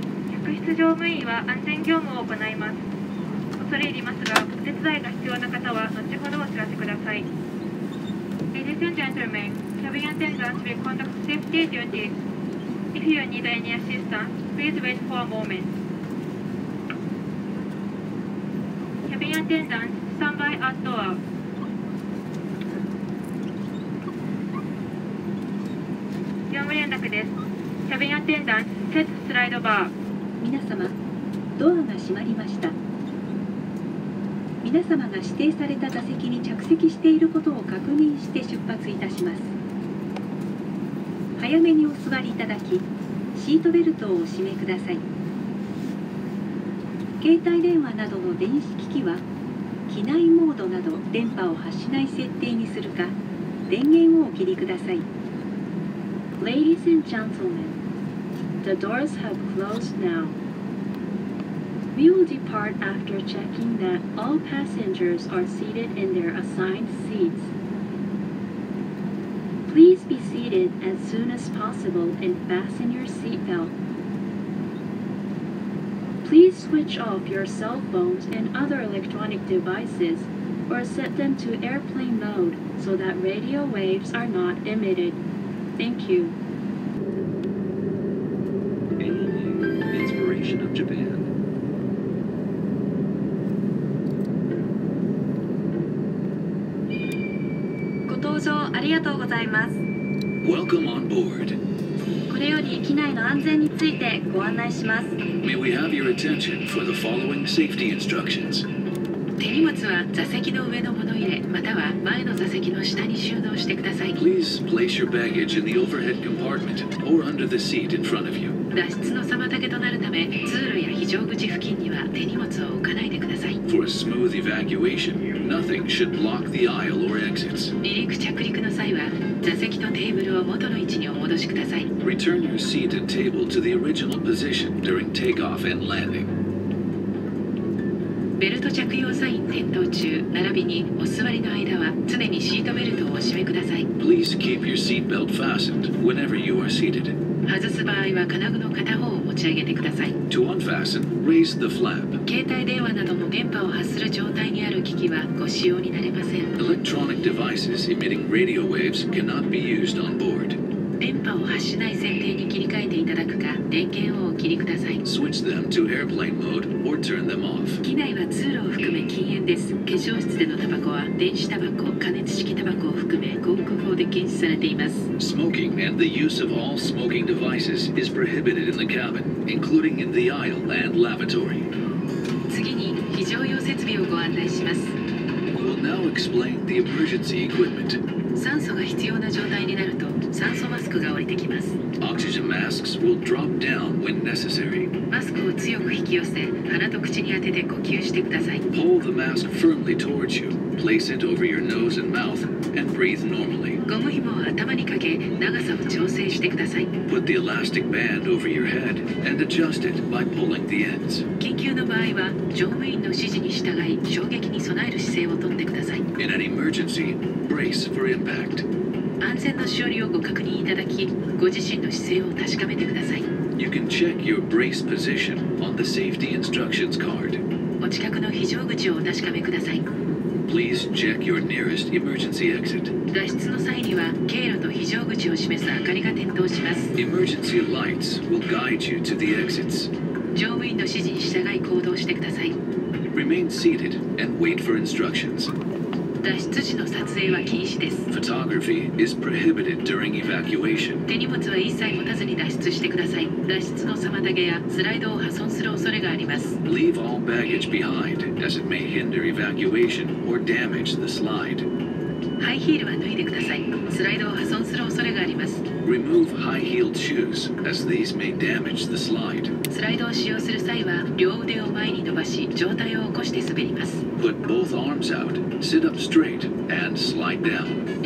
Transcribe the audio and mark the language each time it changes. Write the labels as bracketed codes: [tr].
[ja] 客室乗務員は安全業務を行います。恐れ入りますが、お手伝いが必要な方は後ほどお知らせください。 [en] Ladies and gentlemen, cabin attendants will conduct safety duty. If you need any assistance, please wait for a moment. Cabin attendants, stand by at door. キャビンアテンダンス、セットスライドバー。 [ja] 皆様、ドアが閉まりました。皆様が指定された座席に着席していることを確認して出発いたします。早めにお座りいただき、シートベルトをお締めください。携帯電話などの電子機器は機内モードなど電波を発しない設定にするか、電源をお切りください。 [en] Ladies and gentlemen, the doors have closed now. We will depart after checking that all passengers are seated in their assigned seats. Please be seated as soon as possible and fasten your seatbelt. Please switch off your cell phones and other electronic devices or set them to airplane mode so that radio waves are not emitted. Thank you. A-League, Inspiration of Japan. [ja] ご搭乗ありがとうございます。 [en] Welcome on board. [ja] これより機内の安全についてご案内します。 [en] May we have your attention for the following safety instructions. [ja] 手荷物は座席の上のものまたは前の座席の下に収納してください。 [en] Please place your baggage in the overhead compartment or under the seat in front of you. [ja] 脱出の妨げとなるため通路や非常口付近には手荷物を置かないでください。 [en] For a smooth evacuation, nothing should block the aisle or exits. [ja] 離陸着陸の際は座席とテーブルを元の位置にお戻しください。 [en] Return your seat and table to the original position during takeoff and landing. [ja] ベルト着用サイン点灯中並びにお座りの間は常にシートベルトをお締めください。 [en] Please keep your seatbelt fastened whenever you are seated. [ja] 外す場合は金具の片方を持ち上げてください。 [en] To unfasten, raise the flap. [ja] 携帯電話なども電波を発する状態にある機器はご使用になれません。 [en] Electronic devices emitting radio waves cannot be used on board. [ja] 電波を発しない設定に切り替えていただくか、電源をお切りください。 [en] Switch them to airplane mode or turn them off. [ja] 機内は通路を含め禁煙です。化粧室でのタバコは電子タバコ、加熱式タバコを含め合区法で禁止されています。 [en] Smoking and the use of all smoking devices is prohibited in the cabin, including in the aisle and lavatory. [ja] 次に非常用設備をご案内します。 [en] We will now explain the emergency equipment. [ja] 酸素が必要な状態になると酸素マスクが降りてきます。 [en] Oxygen masks will drop down when necessary. [ja] マスクを強く引き寄せ、鼻と口に当てて呼吸してください。 [en] Pull the mask firmly towards you. Place it over your nose and mouth and breathe normally. [ja] ゴム紐を頭にかけ、長さを調整してください。 [en] Put the elastic band over your head and adjust it by pulling the ends. [ja] 緊急の場合は、乗務員の指示に従い、衝撃に備える姿勢をとってください。 [en] In an emergency, brace for impact. [ja] 安全のしおりをご確認いただき、ご自身の姿勢を確かめてください。 [en] You can check your brace position on the safety instructions card. [ja] お近くの非常口をお確かめください。 [en] Please check your nearest emergency exit. [ja] 脱出の際には、経路と非常口を示す明かりが点灯します。 [en] Emergency lights will guide you to the exits. [ja] 乗務員の指示に従い行動してください。 [en] Remain seated and wait for instructions. [ja] 脱出時の撮影は禁止です。 [en] Photography is prohibited during evacuation. [ja] 手荷物は一切持たずに脱出してください。脱出の妨げやスライドを破損する恐れがあります。 [en] Leave all baggage behind, as it may hinder evacuation or damage the slide. [ja] ハイヒールは脱いでください。スライドを破損する恐れがあります。 [en] Remove high-heeled shoes, as these may damage the slide. [ja] スライドを使用する際は両腕を前に伸ばし、上体を起こして滑ります。 [en] Put both arms out, sit up straight, and slide down.